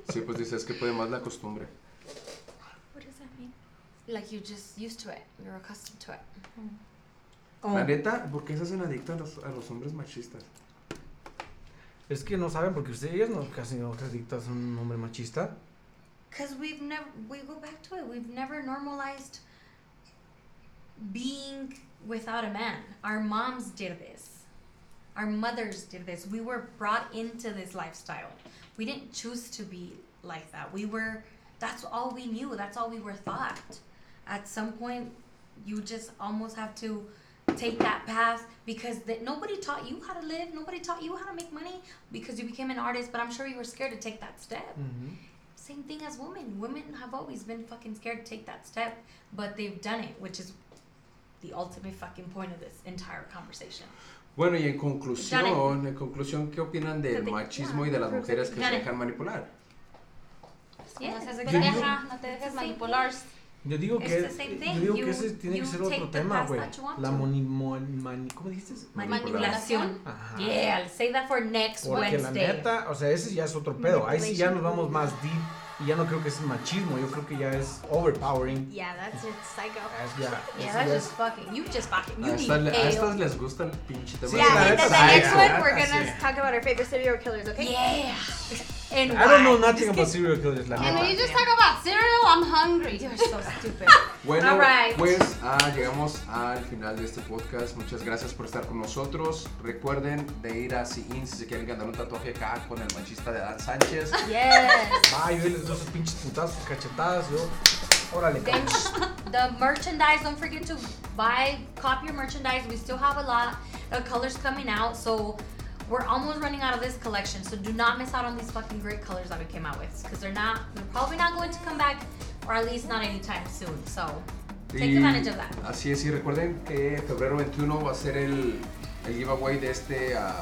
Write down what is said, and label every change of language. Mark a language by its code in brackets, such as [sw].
[es] Sí, pues dice, es que puede más la costumbre. [en] What does that mean? Like you're just used to it. You're accustomed to it. Mm-hmm. [es] Oh. La neta, ¿por qué se hacen adictos a los hombres machistas? Es que no saben, porque ustedes no casi no se adictan a un hombre machista. [en] Because we've never normalized being without a man. Our moms did this. Our mothers did this. We were brought into this lifestyle. We didn't choose to be like that. We were, that's all we knew. That's all we were taught. At some point, you just almost have to take that path because nobody taught you how to live. Nobody taught you how to make money because you became an artist, but I'm sure you were scared to take that step. Mm-hmm. Same thing as women. Women have always been fucking scared to take that step, but they've done it, which is the ultimate fucking point of this entire conversation. [es] Bueno, y en conclusión, ¿qué opinan del machismo y de las mujeres que se dejan manipular? No te dejes manipular. Yo digo que ese tiene que ser otro tema, güey. La ¿cómo dijiste? [en] Manipulación. Yeah, I'll save that for next Wednesday. [es] Porque la neta, o sea, ese ya es otro pedo. Ahí sí ya nos vamos más deep. Y ya no creo que es machismo, yo creo que ya es overpowering. [en] Yeah, that's just psycho. That's just fucking. [es] A estas les gusta el pinche tema. [en] Yeah, and then the next one, we're gonna talk about our favorite serial killers, okay? Yeah. And I don't know nothing about serial killers. And when you just talk about cereal, I'm hungry. You're so stupid. [es] Bueno, [en] all right. [es] Pues llegamos al final de este podcast. Muchas gracias por estar con nosotros. Recuerden de ir a asiink si se quieren ganar un tatuaje acá con el machista de Adán Sánchez. [en] Yes. [es] Bye. Esos pinches putazos, cachetadas, yo. Órale. [en] The merchandise, don't forget to buy, copy your merchandise. We still have a lot of colors coming out, so we're almost running out of this collection. So do not miss out on these fucking great colors that we came out with, because they're probably not going to come back, or at least not anytime soon. So take advantage of that. [es] Así es, y recuerden que febrero 21 va a ser el giveaway de este.